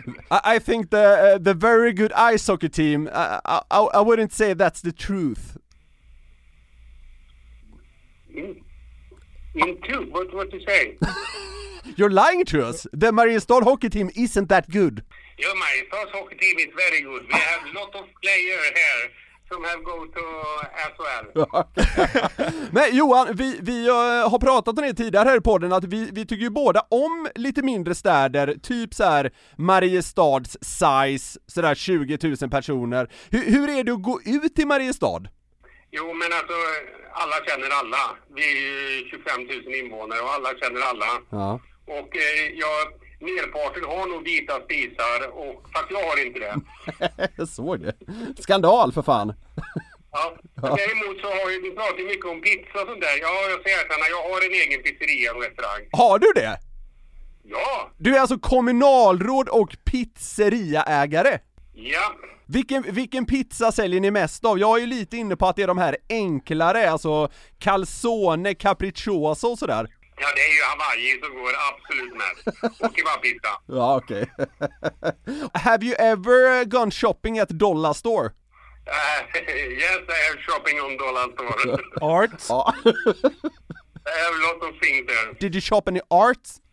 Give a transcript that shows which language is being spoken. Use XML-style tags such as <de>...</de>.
<en>I think the very good ice hockey team, I wouldn't say that's the truth. What you say? You're lying to us. The Mariestad hockey team isn't that good. Your Mariestad hockey team is very good. We have a lot of players here.</en> <sv>Som</sv> <en>have go to SHL.</en> <sv>Men Johan, vi har pratat om det tidigare här i podden att vi tycker ju båda om lite mindre städer, typ så här Mariestads size, så där 20 000 personer. Hur är det att gå ut i Mariestad? Jo, men alltså alla känner alla. Vi är ju 25 000 invånare och alla känner alla. Ja. Och merparten har nog vita spisar, och fast jag har inte det. Jag såg det. Skandal för fan. Ja. Däremot så har ju pratat mycket om pizza och sånt där. Ja, jag säger att jag har en egen pizzeria och restaurang. Har du det? Ja. Du är alltså kommunalråd och pizzeriaägare? Ja. Vilken pizza säljer ni mest av? Jag är ju lite inne på att det är de här enklare, alltså calzone, capricciosa och sådär. Ja, det är ju Hawaii som går absolut mest. Och kebabpizza. Ja, okej. Okay.</sv> <en>Have you ever gone shopping at Dollar Store? Yes, I have shopping on Dollar Store. Art? I have a lot of things there. Did you shop any art?</en>